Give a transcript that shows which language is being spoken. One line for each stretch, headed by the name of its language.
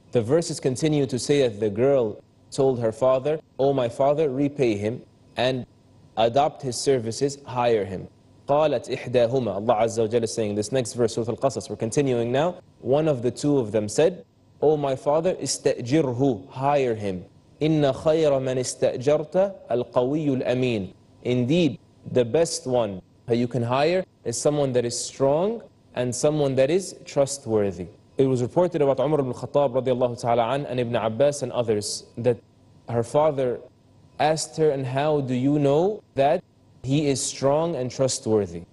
English: The verses continue to say that the girl told her father, oh my father, repay him and adopt his services, hire him.
Arabic: قالت إحداهما,
English: Allah Azza wa Jalla is saying this next verse, Surah Al-Qasas, we're continuing now. One of the two of them said, oh my father,
Arabic: استأجره,
English: hire him.
Arabic: إن خير من استأجرت القوي الأمين.
English: Indeed, the best one that you can hire is someone that is strong and someone that is trustworthy. It was reported about Umar ibn Khattab radiallahu ta'ala an, and Ibn Abbas and others, that her father asked her, and how do you know that he is strong and trustworthy?